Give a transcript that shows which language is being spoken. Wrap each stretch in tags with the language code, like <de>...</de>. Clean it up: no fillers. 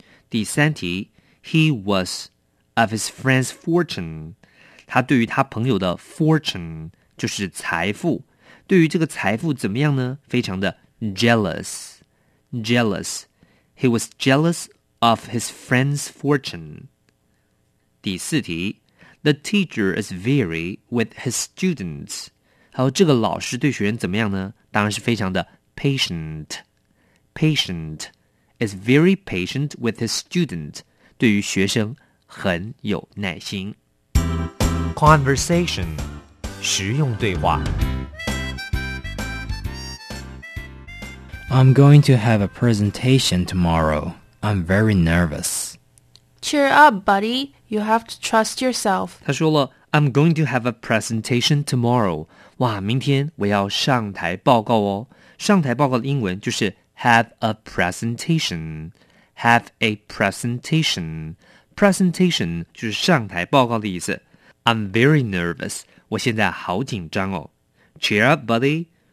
<zh>第三题 ,</zh> <en>he was of his friend's fortune,</en> <zh>他对于他朋友的 fortune, 就是财富，对于这个财富怎么样呢？非常的</zh> <en>jealous, jealous, he was jealous of his friend's fortune.</en> <zh>第四题</zh> <en>The teacher is very with his students.</en> <zh>还有这个老师对学员怎么样呢？当然是非常的</zh> <en>patient. Patient is very patient with his student.</en> <zh>对于学生很有耐心。 Conversation 实用对话。</zh> <en>I'm going to have a presentation tomorrow. I'm very nervous. Cheer up, buddy. You have to trust yourself.</en> <zh>他说了</zh> <en>I'm going to have a presentation tomorrow.</en> <zh>哇明天我要上台报告哦。上台报告的英文就是</zh> <en>have a presentation. Have a presentation.</en> <zh>Presentation 就是上台报告的意思。</zh> <en>I'm very nervous.</en> <zh>我现在好紧张哦。</zh> <en>Cheer up, buddy.</en>